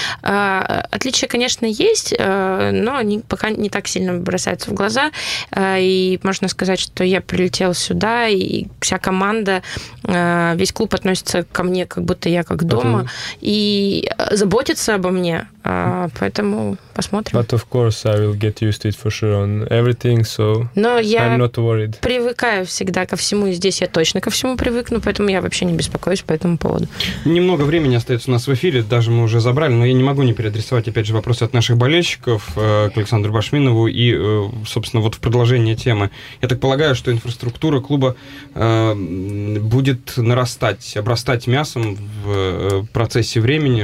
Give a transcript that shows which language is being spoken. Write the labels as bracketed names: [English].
[Russian] Отличия, конечно, есть, но они пока не так сильно бросаются в глаза. И можно сказать, что я прилетел сюда, и вся команда, весь клуб относится ко мне, как будто я как дома, и заботится обо мне, поэтому посмотрим. [English] But of course, I will get used to it for sure on everything, so I'm not worried. [Russian] Но я привыкаю всегда ко всему, и здесь я точно ко всему привыкну, поэтому я вообще не беспокоюсь по этому поводу. Немного времени остается у нас в эфире, даже мы уже забрали, но я не могу не переадресовать, опять же, вопросы от наших болельщиков к Александру Башминову и, собственно, вот в продолжение темы. Я так полагаю, что инфраструктура клуба будет нарастать, обрастать мясом в процессе времени.